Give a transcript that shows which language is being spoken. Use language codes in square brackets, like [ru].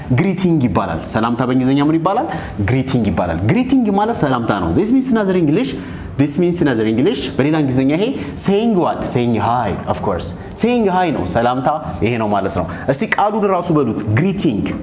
[am] greeting ይባላል። ሰላምታ በእንግሊዘኛ ምን ይባላል? greeting ይባላል። greeting ማለት ሰላምታ ነው። [en] This means another English. [am] በሌላ እንግሊዘኛ ይሄ [en] saying what? saying hi, of course. saying hi [am] ነው ሰላምታ ይሄ ነው ማለት ነው። እስቲ ቃሉን ራሱ በሉት greeting.